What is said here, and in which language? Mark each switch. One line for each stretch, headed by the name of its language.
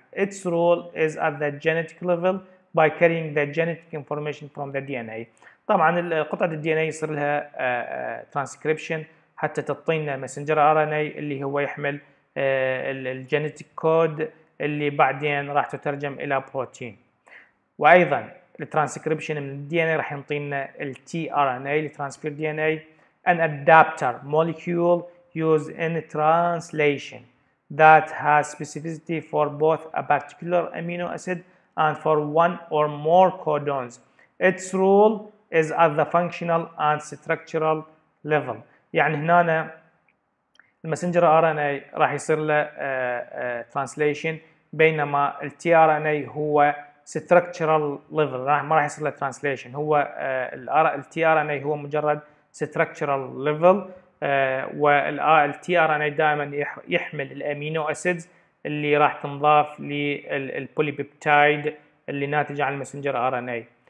English: Its role is at the genetic level by carrying the genetic information from the DNA.
Arabic: طبعا قطعة الـ DNA يصير لها transcription حتى تعطينا messenger RNA اللي هو يحمل الـ genetic code اللي بعدين راح تترجم إلى protein. وأيضا الـ transcription من الـ DNA راح يعطينا الـ tRNA الـ transfer DNA،
English: an adapter molecule used in translation that has specificity for both a particular amino acid and for one or more codons. Its role is at the functional and structural level.
Arabic: يعني هنا المسنجر ار ان اي راح يصير له ترانسليشن، بينما التي ار ان اي هو structural level، ما راح يصير له ترانسليشن، هو التي ار ان اي هو مجرد structural level، والتي ار ان اي دائما يحمل الامينو اسيدز اللي راح تنضاف للبوليبيبتايد اللي ناتج عن المسنجر ار ان اي.